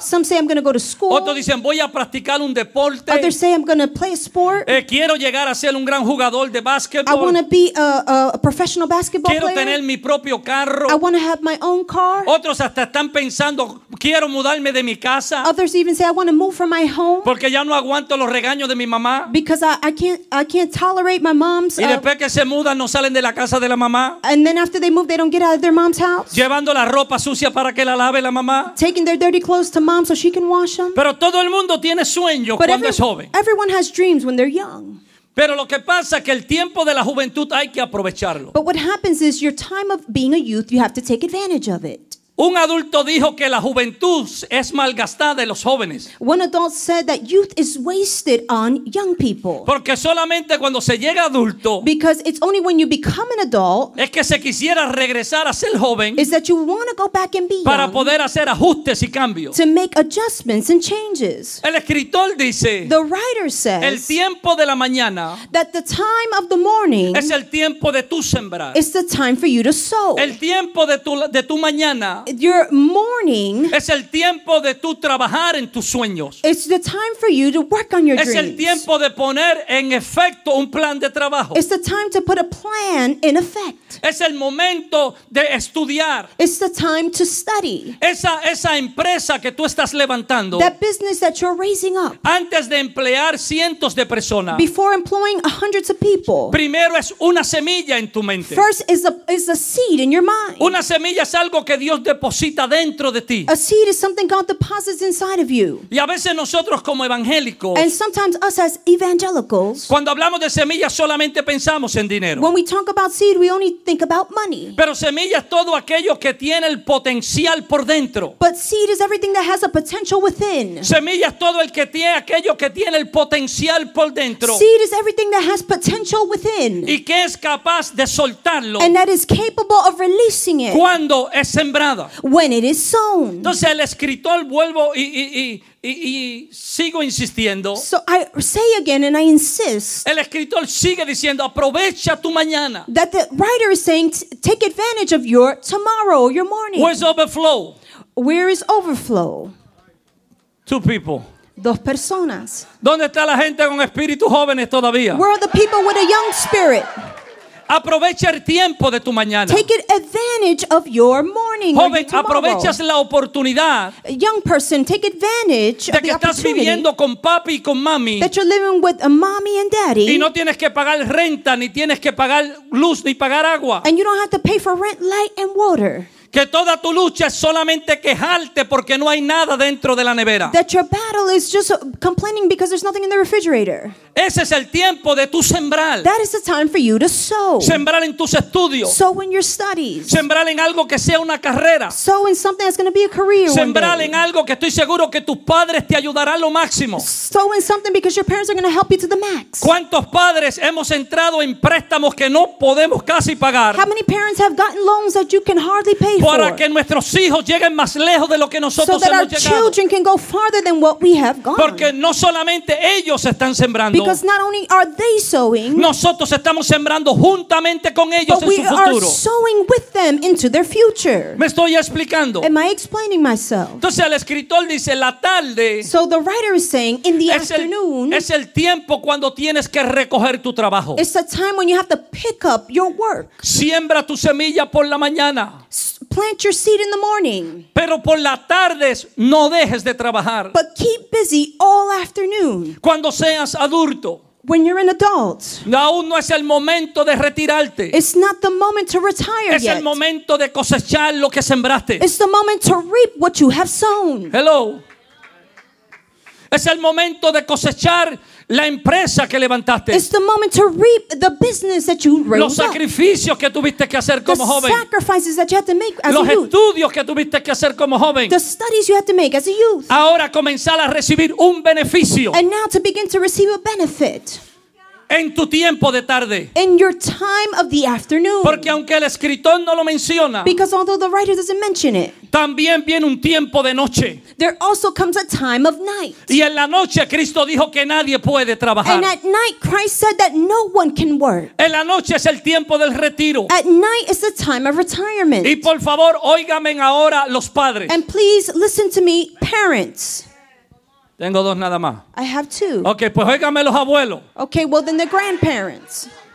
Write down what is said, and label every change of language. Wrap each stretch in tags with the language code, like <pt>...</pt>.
<en>Some say I'm going to go to school.</en> <es>Otros dicen voy a practicar un deporte.</es> <en>Others say I'm going to play a sport.</en> <es>Quiero llegar a ser un gran jugador de basketball.</es> <en>I want to be a professional basketball</en> <es>quiero</es> <en>player.</en> <es>Quiero tener mi propio carro.</es> <en>I want to have my own car.</en> <es>Otros hasta están pensando quiero mudarme de mi casa.</es> <en>Others even say I want to move from my home.</en> <es>Porque ya no aguanto los regaños de mi mamá.</es> <en>Because I can't tolerate my mom's.</en> <es>Y después que se mudan no salen de la casa de la mamá.</es> <en>And then after they move they don't get out of their mom's house.</en> <es>Llevando la ropa sucia para que la lave la mamá.</es> <en>Taking their dirty clothes to mom so she can wash them.</en> <es>Pero todo el mundo tiene sueños cuando es joven.</es> <en>Everyone has dreams when they're young.</en> <es>Pero lo que pasa es que el tiempo de la juventud hay que aprovecharlo.</es> <en>But what happens is your time of being a youth you have to take advantage of it.</en> <es>Un adulto dijo que la juventud es malgastada en los jóvenes.</es> <en>One adult said that youth is wasted on young people.</en> <es>Porque solamente cuando se llega adulto.</es> <en>Because it's only when you become an adult.</en> <es>Es que se quisiera regresar a ser joven.</es> <en>Is that you want to go back and be young.</en> <es>Para poder hacer ajustes y cambios.</es> <en>To make adjustments and changes.</en> <es>El escritor dice.</es> <en>The writer says.</en> <es>El tiempo de la mañana.</es> <en>That the time of the morning.</en> <es>Es el tiempo de tu sembrar.</es> <en>Is the time for you to sow.</en> <es>El tiempo de tu mañana.</es> <en>Your morning</en> <es>es el tiempo de tú trabajar en tus sueños.</es> <en>It's the time for you to work on your</en> <es>es</es> <en>dreams.</en> <es>Es el tiempo de poner en efecto un plan de trabajo.</es> <en>It's the time to put a plan in effect.</en> <es>Es el momento de estudiar.</es> <en>It's the time to study.</en> <es>Esa empresa que tú estás levantando.</es> <en>That business that you're raising up.</en> <es>Antes de emplear cientos de personas.</es> <en>Before employing hundreds of people.</en> <es>Primero es una semilla en tu mente.</es> <en>First is a seed in your mind.</en> <es>Una semilla es algo que Dios deposita dentro de ti.</es> <en>A seed is something God deposits inside of you.</en> <es>Y a veces nosotros como evangélicos.</es> <en>And sometimes us as evangelicals.</en> <es>Cuando hablamos de semillas solamente pensamos en dinero.</es> <en>When we talk about seed, we only think about money.</en> <es>Pero semilla es todo aquello que tiene el potencial por dentro.</es> <en>But seed is everything that has a potential within.</en> <es>Semilla es todo el que tiene aquello que tiene el potencial por dentro.</es> <en>Seed is everything that has potential within.</en> <es>Y que es capaz de soltarlo.</es> <en>And that is capable of releasing it.</en> <es>Cuando es sembrada.</es> <en>When it is sown.</en> <es>Entonces el escritor vuelvo y sigo insistiendo.</es> <en>So I say again and I insist.</en> <es>El escritor sigue diciendo aprovecha tu mañana.</es> <en>That the writer is saying take advantage of your tomorrow, your morning. Where's overflow? Where is overflow? Two people.</en> <es>Dos personas. ¿Dónde está la gente con espíritu jóvenes todavía?</es> <en>Where are the people with a young spirit?</en> <es>Aprovecha el tiempo de tu mañana.</es> <en>Take advantage of your morning.</en> <es>Joven,</es> <en>or your tomorrow.</en> <es>Aprovechas la oportunidad.</es> <en>Young person, take advantage</en> <es>de que estás viviendo con papi y con mami.</es> <en>That you're living with a mommy and daddy.</en> <es>Y no tienes que pagar renta, ni tienes que pagar luz, ni pagar agua.</es> <en>And you don't have to pay for rent, light, and water.</en> <es>Que toda tu lucha es solamente quejarte porque no hay nada dentro de la nevera.</es> <en>That your battle is just complaining because there's nothing in the refrigerator.</en> <es>Ese es el tiempo de tu sembrar.</es> <en>That is the time for you to sow.</en> <es>Sembrar en tus estudios.</es> <en>Sow in your studies.</en> <es>Sembrar en algo que sea una carrera.</es> <en>Sow in something that's going to be a career.</en> <es>Sembrar en algo que estoy seguro que tus padres te ayudarán lo máximo.</es> <en>Sow in something because your parents are going to help you to the max.</en> <es>¿Cuántos padres hemos entrado en préstamos que no podemos casi pagar?</es> <en>How many parents have gotten loans that you can hardly pay for?</en> <es>Para que nuestros hijos lleguen más lejos de lo que nosotros</es> <en>so that</en> <es>hemos</es> <en>our</en> <es>llegado.</es> <en>Children can go farther than what we have gone.</en> <es>Porque no solamente ellos están sembrando.</es> <en>Because not only are they sowing,</en> <es>nosotros estamos sembrando juntamente con ellos</es> <en>but</en> <es>en</es> <en>we</en> <es>su futuro.</es> <en>Are sowing with them into their future.</en> <es>¿Me estoy explicando?</es> <en>Am I explaining myself?</en> <es>Entonces el escritor dice la tarde.</es> <en>So the writer is saying in the afternoon.</en> <es>Es el tiempo cuando tienes que recoger tu trabajo.</es> <en>It's the time when you have to pick up your work.</en> <es>Siembra tu semilla por la mañana.</es> <en>plant your seed in the morning.</en> <es>Pero por las tardes no dejes de trabajar.</es> <en>But keep busy all afternoon.</en> <es>Cuando seas adulto.</es> <en>When you're an adult.</en> <es>Aún no es el momento de retirarte.</es> <en>It's not the moment to retire</en> <es>Es el momento de cosechar lo que sembraste.</es> <en>It's the moment to reap what you have sown. Hello.</en> <es>Es el momento de cosechar la empresa que levantaste.</es> <en>It's the moment to reap the business that you raised.</en> <es>Los sacrificios que tuviste que hacer como joven.</es> <en>The sacrifices that you had to make as a youth.</en> <es>Los estudios que tuviste que hacer como joven.</es> <en>The studies you had to make as a youth.</en> <es>Ahora comenzar a recibir un beneficio.</es> <en>And now to begin to receive a benefit.</en> <es>En tu tiempo de tarde.</es> <en>In your time of the afternoon.</en> <es>Porque aunque el escritor no lo menciona.</es> <en>Because although the writer doesn't mention it.</en> <es>También viene un tiempo de noche.</es> <en>There also comes a time of night.</en> <es>Y en la noche Cristo dijo que nadie puede trabajar.</es> <en>And at night Christ said that no one can work.</en> <es>En la noche es el tiempo del retiro.</es> <en>At night is the time of retirement.</en> <es>Y por favor, óigame ahora los padres.</es> <en>And please listen to me, parents.</en> <es>Tengo dos nada más.</es> <en>I have two.</en> <es>Okay, pues óigame los abuelos.</es> <en>Okay, well then the grandparents.</en>